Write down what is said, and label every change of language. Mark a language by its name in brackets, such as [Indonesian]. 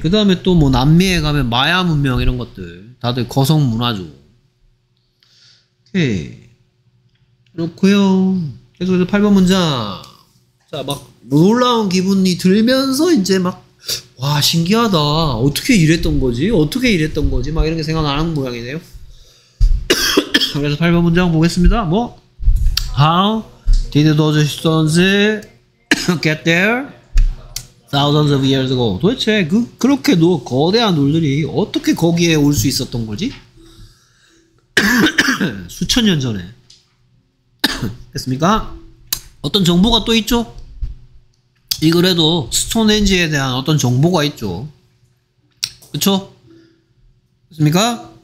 [Korean] 그 다음에 또 뭐 남미에 가면 마야 문명 이런 것들 다들 거성 문화죠. 오케이. 그렇고요. 계속해서 8번 문장. 자, 막 놀라운 기분이 들면서 이제 막 와 신기하다 어떻게 이랬던 거지 어떻게 이랬던 거지 막 이런 게 생각 나는 모양이네요. 그래서 8번 문장 보겠습니다. 뭐 [English] How did those stones get there thousands of years ago? [Korean] 도대체 그렇게 거대한 돌들이 어떻게 거기에 올 수 있었던 거지? 수천 년 전에 됐습니까? 어떤 정보가 또 있죠? 이 글에도 스톤헨지에 대한 어떤 정보가 있죠. 그쵸? 됐습니까?